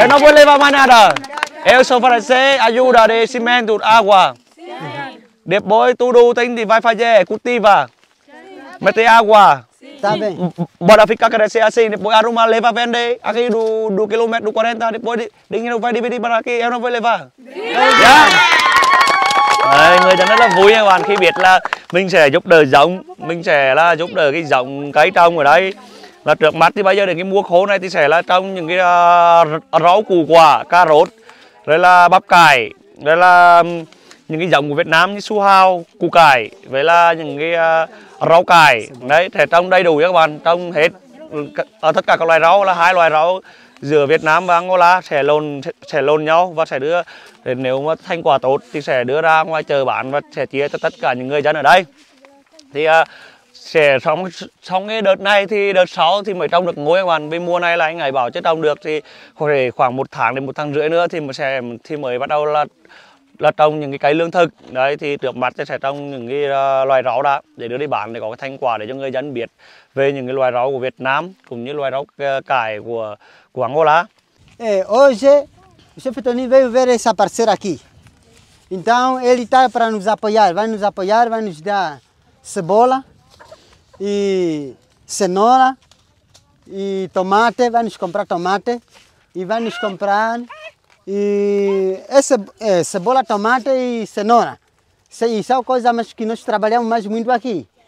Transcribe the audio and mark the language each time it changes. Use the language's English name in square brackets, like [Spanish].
[Portuguese] Eu não vou levar mais nada. Eu só oferecer ajuda de cimento, água. Depois tudo tem de vai fazer, cultiva. Meter água. Tá bem. Bora ficar crescer assim, depois arrumar, leva vender aqui do quilômetro do 40, depois dinheiro vai dividir para aqui, eu não vou levar. Yeah. [Vietnamese] Ai, người dân rất là vui các bạn khi biết là mình sẽ giúp đỡ giống, mình sẽ là giúp đỡ cái giống cái trồng ở đây. Là trước mắt thì bây giờ đến cái mùa khô này thì sẽ là trong những cái rau củ quả, cà rốt, rồi là bắp cải, rồi là những cái giống của Việt Nam như su hào, củ cải, với là những cái rau cải. Đấy, thể trong đầy đủ các bạn, trong hết tất cả các loài rau là hai loài rau giữa Việt Nam và Angola sẽ lồn nhau và sẽ đưa, nếu mà thành quả tốt thì sẽ đưa ra ngoài chợ bán và sẽ chia cho tất cả những người dân ở đây. Thì sẽ trong cái đợt này thì đợt sau thì mới trồng được ngô các bạn, vì mùa này là anh ấy bảo chưa trồng được thì có thể khoảng một tháng đến một tháng rưỡi nữa thì mới bắt đầu là trồng những cái cây lương thực. Đấy thì trước mặt sẽ trồng những cái loài rau đó để đưa đi bán để có cái thành quả để cho người dân biết về những cái loài rau của Việt Nam cũng như loài rau cải của Angola. [Portuguese] É, hoje o chef Tony veio ver essa parceira aqui. Então ele tá para nos apoiar, vai nos dar cebola e cenoura e tomate, vai nos comprar tomate e vai nos comprar e essa cebola, tomate e cenoura. E são coisas que nós trabalhamos mais muito aqui.